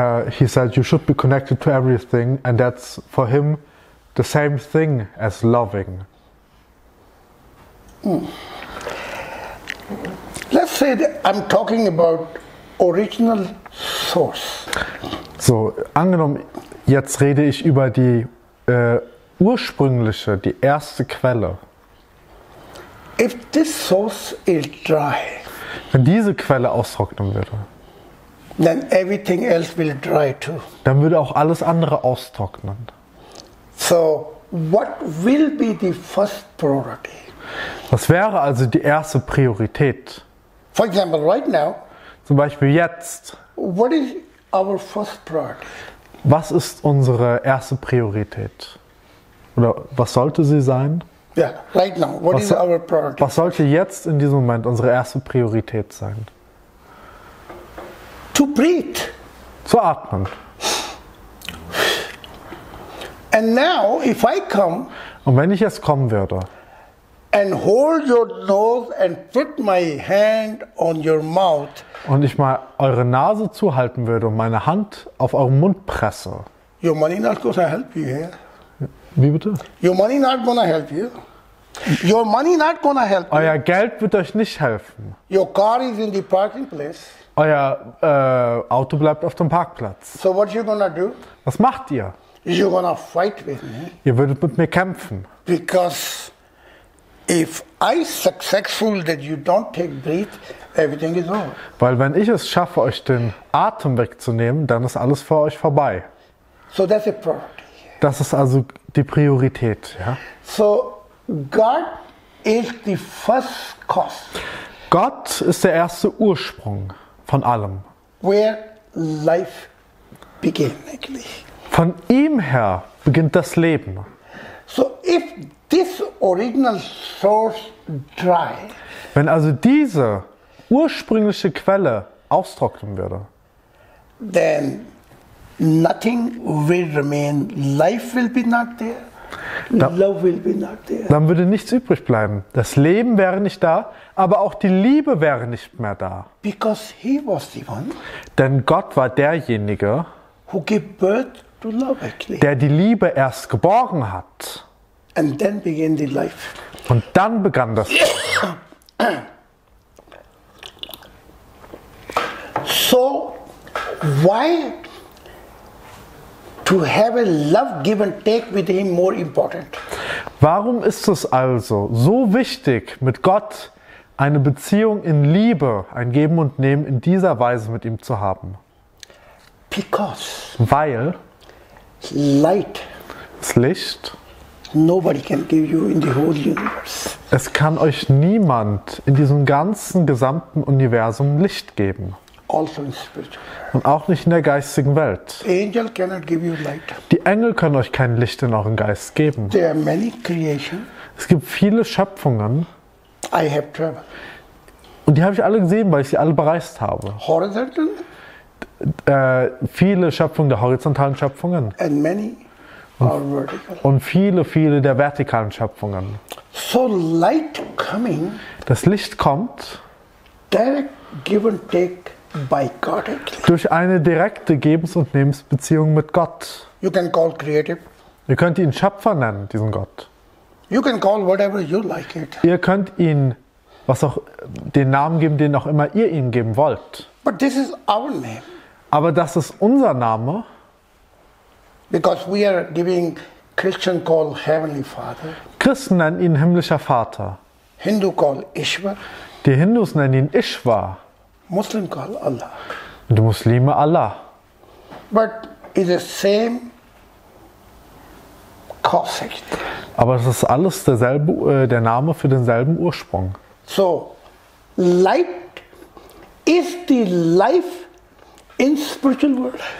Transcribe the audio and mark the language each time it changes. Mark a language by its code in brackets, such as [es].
[en] He said, you should be connected to everything, and that's for him the same thing as loving. Let's say that I'm talking about original source. [de] So, angenommen, jetzt rede ich über die ursprüngliche, die erste Quelle. [en] If this source is dry, [de] wenn diese Quelle austrocknen würde, [en] then everything else will dry too. [de] Dann würde auch alles andere austrocknen. [en] So, what will be the first priority? [de] Was wäre also die erste Priorität? [en] For example, right now, [de] zum Beispiel jetzt. [en] What is our first priority? [de] Was ist unsere erste Priorität? Oder was sollte sie sein? [en] Yeah, right now. What is our priority? [de] Was sollte jetzt in diesem Moment unsere erste Priorität sein? [en] To breathe. [de] Zu atmen. [en] And now, if I come. [de] Und wenn ich jetzt kommen würde. [en] And hold your nose and put my hand on your mouth. [de] Und ich mal eure Nase zuhalten würde und meine Hand auf euren Mund presse. [en] Your money not gonna help you here. [de] Wie bitte? [en] Your money not gonna help you. Your money not gonna help [de] euer [en] you. [de] Euer Geld wird euch nicht helfen. [en] Your car is in the parking place. [de] Euer Auto bleibt auf dem Parkplatz. [en] So what you gonna do? [de] Was macht ihr? [en] you're gonna fight with me. [de] Ihr würdet mit mir kämpfen. [en] Because if I successful that you don't take breath, everything is over. [de] Weil wenn ich es schaffe, euch den Atem wegzunehmen, dann ist alles vor euch vorbei. [en] So that's a priority. [de] Das ist also die Priorität, ja? [en] So God is the first cause. [de] Gott ist der erste Ursprung von allem. [en] Where life begins, actually. [de] Von ihm her beginnt das Leben. [en] So if this original source dry, [de] wenn also diese ursprüngliche Quelle austrocknen würde, [en] then nothing will remain. Life will be not there. Love will be not there. [de] Dann würde nichts übrig bleiben. Das Leben wäre nicht da, aber auch die Liebe wäre nicht mehr da. [en] Because he was the one, [de] denn Gott war derjenige, [en] who gave birth to love, actually. [de] Der die Liebe erst geborgen hat. [en] And then began the life. [de] Und dann begann das [en] So, why to have a love give and take with him more important? [de] Warum ist es also so wichtig, mit Gott eine Beziehung in Liebe, ein Geben und Nehmen in dieser Weise mit ihm zu haben? [en] Because [de] weil [en] light, [de] das Licht, [en] nobody can give you in the whole universe. [de] Es kann euch niemand in diesem ganzen gesamten Universum Licht geben. [en] Also in spiritual. [de] Und auch nicht in der geistigen Welt. [en] Angel cannot give you light. [de] Die Engel können euch kein Licht in euren Geist geben. [en] There are many creations. [de] Es gibt viele Schöpfungen. [en] I have traveled. [de] Und die habe ich alle gesehen, weil ich sie alle bereist habe. [en] Horizontal? [de] Viele Schöpfungen der horizontalen Schöpfungen. [en] And many are vertical. [de] Und viele, viele der vertikalen Schöpfungen. [en] So light coming, [de] das Licht kommt [en] direct give and take by God, [de] durch eine direkte Gebens- und Nehmensbeziehung mit Gott. [en] You can call creative. [de] Ihr könnt ihn Schöpfer nennen, diesen Gott. [en] You can call whatever you like it. [de] Ihr könnt ihn was auch den Namen geben, den auch immer ihr ihm geben wollt. [en] But this is our name. [de] Aber das ist unser Name. [en] Because we are giving Christian call Heavenly Father. [de] Christen nennen ihn himmlischer Vater. [en] Hindu call Ishwar. [de] Die Hindus nennen ihn Ishwar. [en] Muslim call Allah. [de] Und die Muslime Allah. [en] But it's the same cause. [de] Aber es ist alles derselbe, der Name für denselben Ursprung. [en] So, light is the life in spiritual world.